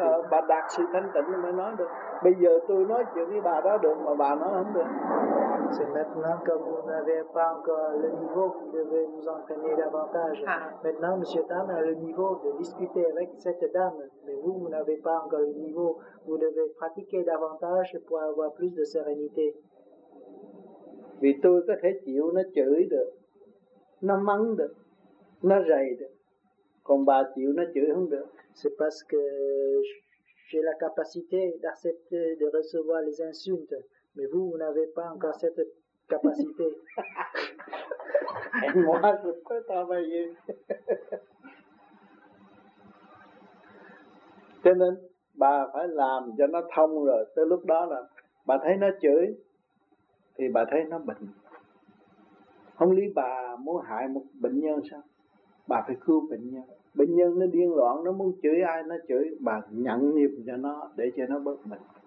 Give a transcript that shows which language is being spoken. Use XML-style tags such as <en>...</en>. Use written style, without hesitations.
<vi>Bà đạt sự thanh tịnh mới nói được. Bây giờ tôi nói chuyện với bà đó được mà bà nói không được.</vi> <fr>C'est maintenant que vous n'avez pas encore le niveau, vous devez vous entraîner davantage. Maintenant, Monsieur Dame a le niveau de discuter avec cette dame, mais vous n'avez pas encore le niveau. Vous devez pratiquer davantage pour avoir plus de sérénité.</fr> <vi>Vì tôi có thể chịu nó chửi được, nó mắng được, nó rầy được. Còn bà chịu nó chửi không được.</vi> <fr>C'est parce que j'ai la capacité d'accepter de recevoir les insultes. Mais vous n'avez pas encore cette capacité. Et moi, je peux travailler.</fr> <vi>Cho nên, bà phải làm cho nó thông rồi. Tới lúc đó là bà thấy nó chửi, thì bà thấy nó bệnh. Không lý bà muốn hại một bệnh nhân sao? Bà phải cứu bệnh nhân. Bệnh nhân nó điên loạn, nó muốn chửi ai, nó chửi. Bà nhận nghiệp cho nó, để cho nó bớt bệnh.</vi>